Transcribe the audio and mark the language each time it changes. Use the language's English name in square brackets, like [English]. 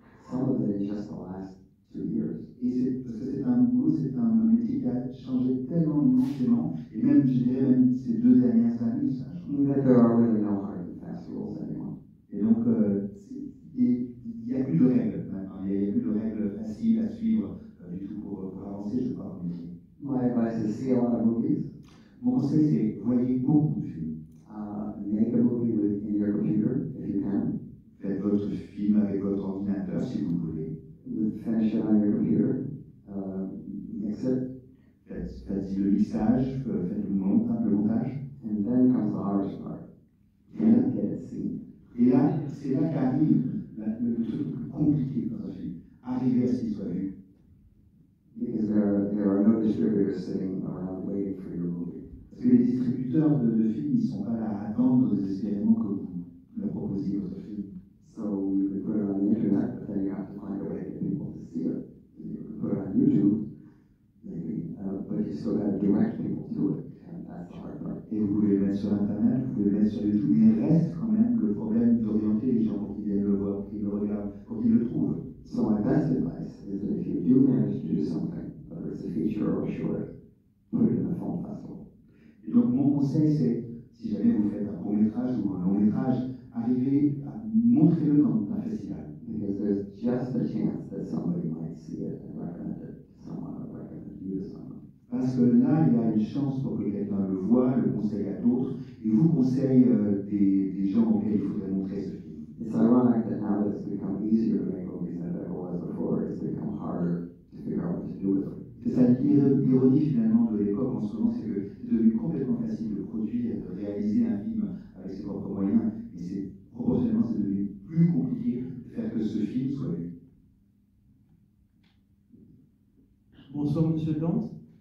[English] Some of it in just the last 2 years. [French] Et c'est parce que c'est un métier qui a changé tellement immensément. Et même, je dirais, même ces deux dernières années, ça a changé. [English] That there are really no hard and fast rules anymore. [French] Et donc, il n'y a plus de règles maintenant. Il n'y a plus de règles faciles à suivre du tout pour avancer, je crois. [English] My advice is see a lot of movies. [French] Mon conseil, c'est voyez beaucoup de films. [English] Make a movie within your computer, if you can. [French] Faites votre film avec votre ordinateur, si vous voulez. [English] Finish it on your computer. Mix it. [French] Faites-y le mixage, faites le montage. [English] And then comes the hardest part. [French] Et là, c'est là qu'arrive le truc compliqué dans un film. Arriver à ce qu'il soit vu. [English] Because there are no distributors sitting around waiting for your movie. [French] Parce que les distributeurs de films, ils ne sont pas là à attendre désespérément que vous leur proposiez votre film. [English] So, you can put it on the internet, but then you have to find a way to get people to see it. You can put it on YouTube, maybe, but you still have to direct people to it. And [French] et vous pouvez le mettre sur Internet, vous pouvez le mettre sur YouTube, mais reste quand même le problème d'orienter les gens pour qu'ils viennent le voir, pour qu'ils le regardent, pour qu'ils le trouvent. [English] So my best advice is that if you do manage to do something, whether it's a feature or a short, put it in the film festival. [French] Et donc mon conseil c'est, si jamais vous faites un court métrage ou un long métrage, arrivez à montrer-le dans un festival. [English] Because there's just a chance that somebody might see it and recommend it to someone or recommend you to someone. [French] Parce que là, il y a une chance pour que quelqu'un le voie, le conseille à d'autres, et vous conseille des gens auxquels il faudrait montrer ce film. [English] It's ironic that now that it's become easier to make movies than it ever was before, it's become harder to figure out what to do with them. [French] C'est ça l'ironie finalement de l'époque en ce moment, c'est que c'est devenu complètement facile de produire, de réaliser un film avec ses propres moyens, et c'est proportionnellement c'est devenu plus compliqué de faire que ce film soit vu. Bonsoir Monsieur Dante.